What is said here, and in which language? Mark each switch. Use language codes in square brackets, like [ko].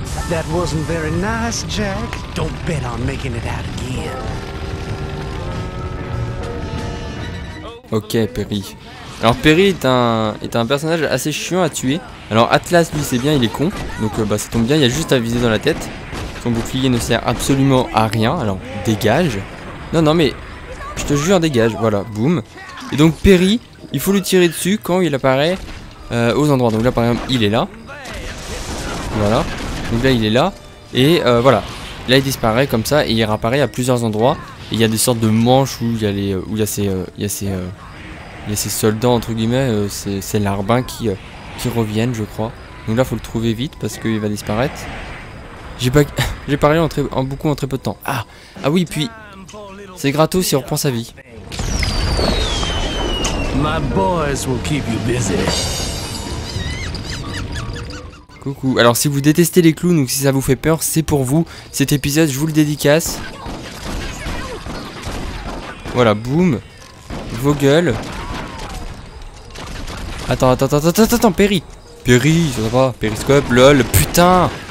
[en] That wasn't very nice, Jack. Don't bet on making it out again. Ok, Perry. [fr] Alors, Perry est un personnage assez chiant à tuer. Alors, Atlas, lui, c'est bien, il est con. Donc, bah, ça tombe bien, il y a juste à viser dans la tête. Son bouclier ne sert absolument à rien. Alors, dégage. Non, non, mais je te jure, dégage. Voilà, boum. Et donc, Perry, il faut lui tirer dessus quand il apparaît aux endroits. Donc là, par exemple, il est là. Voilà. Donc là il est là, et voilà, là il disparaît comme ça, et il réapparaît à plusieurs endroits, et il y a des sortes de manches où il y a ces Il y a ces soldats, entre guillemets, c'est larbin qui reviennent, je crois. Donc là, faut le trouver vite parce qu'il va disparaître. J'ai parlé beaucoup en très peu de temps. Ah oui, puis c'est gratos si on reprend sa vie. [en] My boys will keep you busy. [fr] Coucou. Alors, si vous détestez les clowns ou si ça vous fait peur, c'est pour vous. Cet épisode, je vous le dédicace. Voilà, boum. Vos gueules. Attends, Perry. Perry, ça va. Périscope, lol, putain.